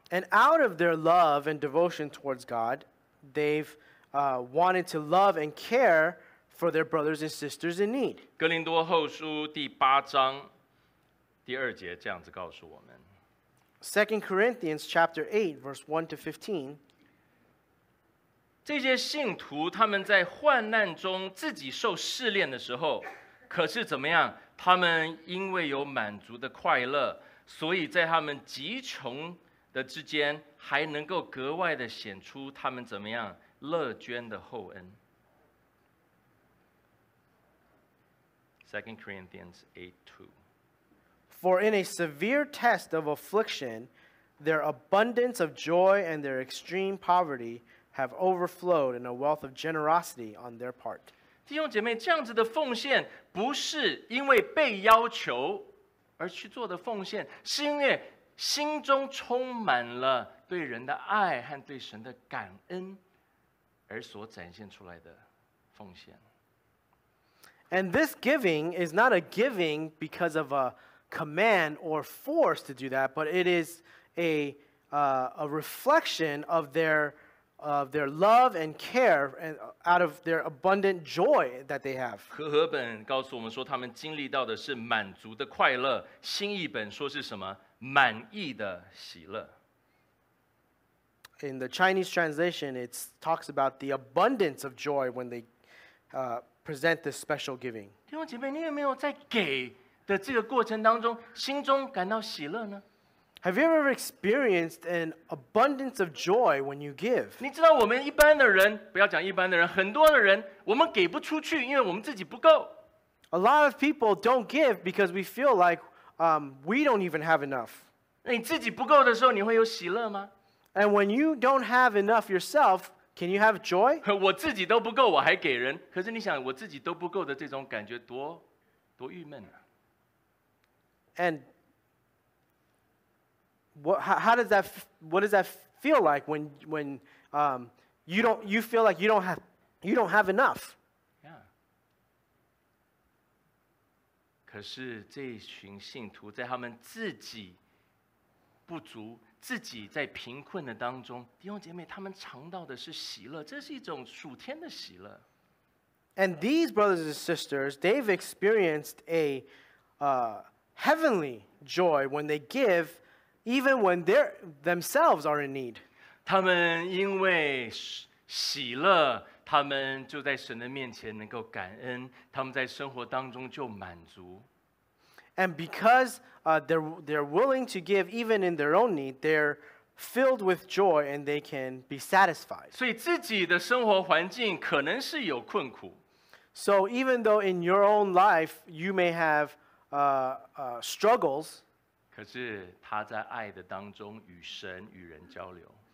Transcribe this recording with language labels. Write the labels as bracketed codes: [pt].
[en] And out of their love and devotion towards God, they've wanted to love and care for their brothers and sisters in need. [zh] 哥林多后书第八章第二节这样子告诉我们。 [en] 2 Corinthians chapter 8 verse 1 to 15。 [zh] 这些信徒他们在患难中自己受试炼的时候，可是怎么样？他们因为有满足的快乐，所以在他们极穷的之间，还能够格外的显出他们怎么样乐捐的厚恩。 [en] 2 Corinthians 8:2. For in a severe test of affliction, their abundance of joy and their extreme poverty have overflowed in a wealth of generosity on their part. [zh] 弟兄姐妹，这样子的奉献不是因为被要求而去做的奉献，是因为心中充满了对人的爱和对神的感恩而所展现出来的奉献。 [en] And this giving is not a giving because of a command or force to do that, but it is a reflection of their love and care and out of their abundant joy that they have. [zh] 和合本告诉我们说他们经历到的是满足的快乐，新译本说是什么？满意的喜乐。 [en] In the Chinese translation, it talks about the abundance of joy when they present this special giving. [zh] 弟兄姐妹，你有没有在给的这个过程当中，心中感到喜乐呢？ [en] Have you ever experienced an abundance of joy when you give? [zh] 你知道我们一般的人，不要讲一般的人，很多的人，我们给不出去，因为我们自己不够。 [en] A lot of people don't give because we feel like we don't even have enough. [zh] 你自己不够的时候，你会有喜乐吗？ [en] And when you don't have enough yourself, can you have joy? [zh] 我自己都不够，我还给人。可是你想，我自己都不够的这种感觉多郁闷啊。 [en] And what does that feel like when you feel like you don't have enough? Yeah. [zh] 可是这群信徒在他们自己不足，自己在贫困的当中，弟兄姐妹，他们尝到的是喜乐，这是一种属天的喜乐。 [en] And these brothers and sisters, they've experienced a heavenly joy when they give, even when they themselves are in need. [zh] 他们因为喜乐，他们就在神的面前能够感恩，他们在生活当中就满足。 [en] And because they're willing to give even in their own need, they're filled with joy and they can be satisfied. [zh] 所以自己的生活环境可能是有困苦。 [en] So even though in your own life you may have struggles, [zh] 可是他在爱的当中与神与人交流。